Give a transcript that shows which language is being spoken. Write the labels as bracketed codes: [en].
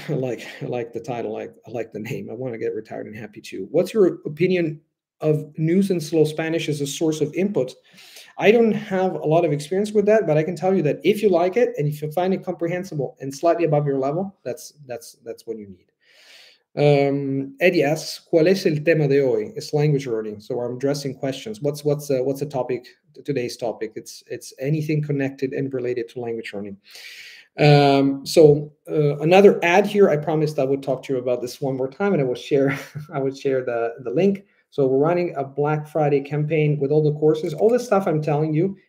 [en] I like the title, I like the name. I want to get retired and happy too. What's your opinion of news in slow Spanish as a source of input? I don't have a lot of experience with that, but I can tell you that if you like it and if you find it comprehensible and slightly above your level, that's what you need. [es] Eddie asks, ¿cuál es el tema de hoy? [en] It's language learning. So I'm addressing questions. What's the topic, today's topic? It's anything connected and related to language learning. Another ad here, I promised I would talk to you about this one more time, and I would share the link. So we're running a Black Friday campaign with all the courses. All the stuff I'm telling you